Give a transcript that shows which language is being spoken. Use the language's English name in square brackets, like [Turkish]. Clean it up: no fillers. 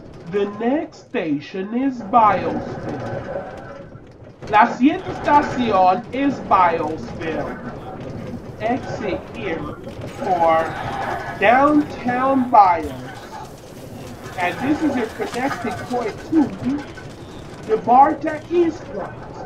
[English] The next station is Biosphere. [Spanish] La siguiente estación es Biosphere. [English] Exit here for downtown Bios. And this is your connecting point to the BART East Front.